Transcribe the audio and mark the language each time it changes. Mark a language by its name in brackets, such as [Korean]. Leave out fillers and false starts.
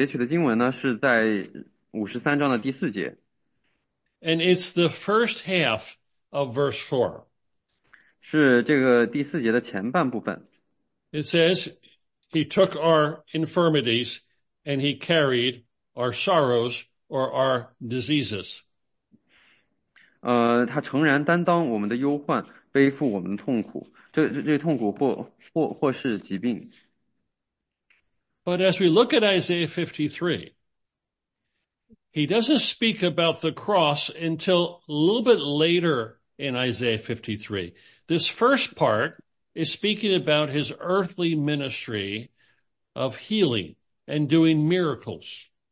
[Chinese] 这里所截取的经文呢，是在53章的第4节。 [English] And it's the first half of verse 4. [Chinese] 是这个第4节的前半部分。 [English] It says, He took our infirmities and He carried our sorrows or our diseases. [Chinese] 他诚然担当我们的忧患，背负我们的痛苦，这痛苦或是疾病。 [English] But as we look at Isaiah 53, He doesn't speak about the cross until a little bit later in Isaiah 53. This first part is speaking about his earthly ministry of healing and doing miracles.